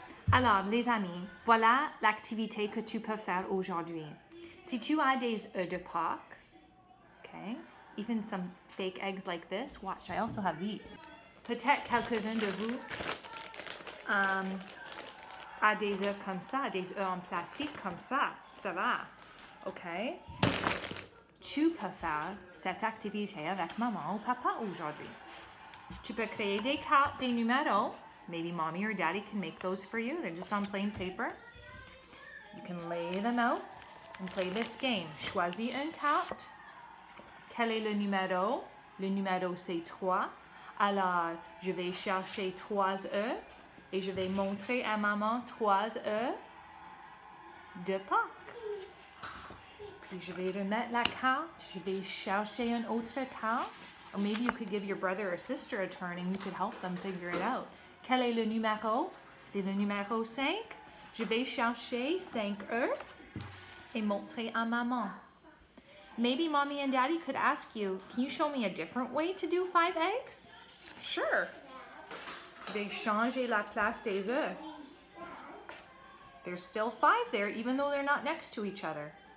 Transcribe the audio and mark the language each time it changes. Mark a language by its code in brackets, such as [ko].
[fr] Alors, les amis, voilà l'activité que tu peux faire aujourd'hui. Si tu as des œufs de Pâques, [en] okay, even some fake eggs like this, watch, I also have these. [fr] Peut-être quelques-uns de vous a des œufs comme ça, des œufs en plastique comme ça, ça va, ok? Tu peux faire cette activité avec maman ou papa aujourd'hui. Tu peux créer des cartes, des numéros. [en] Maybe mommy or daddy can make those for you. They're just on plain paper. You can lay them out and play this game. [fr] Choisis une carte. Quel est le numéro? Le numéro, c'est 3. Alors, je vais chercher 3 œufs et je vais montrer à maman 3 œufs de Pâques. Puis, je vais remettre la carte. Je vais chercher une autre carte. [en] Or maybe you could give your brother or sister a turn and you could help them figure it out. [fr] Quel est le numéro? C'est le numéro 5. Je vais chercher 5 œufs et montrer à maman. [en] Maybe mommy and daddy could ask you, can you show me a different way to do 5 eggs? Sure. [fr] Je vais changer la place des œufs. [en] There's still 5 there, even though they're not next to each other.